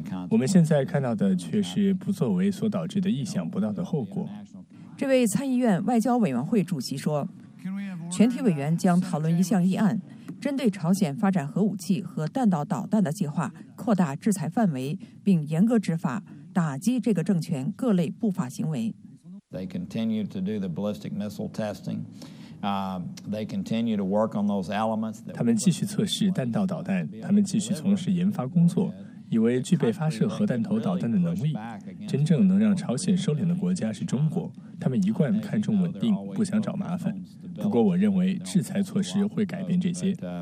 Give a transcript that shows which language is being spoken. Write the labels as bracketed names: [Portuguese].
[Chinese] 我们现在看到的却是不作为所导致的意想不到的后果。这位参议院外交委员会主席说，全体委员将讨论一项议案，针对朝鲜发展核武器和弹道导弹的计划，扩大制裁范围，并严格执法，打击这个政权各类不法行为。 [English] They continue to do the ballistic missile testing. They continue to work on those elements. [Chinese] 他们继续测试弹道导弹，他们继续从事研发工作，以为具备发射核弹头导弹的能力。真正能让朝鲜收敛的国家是中国，他们一贯看重稳定，不想找麻烦。不过我认为制裁措施会改变这些。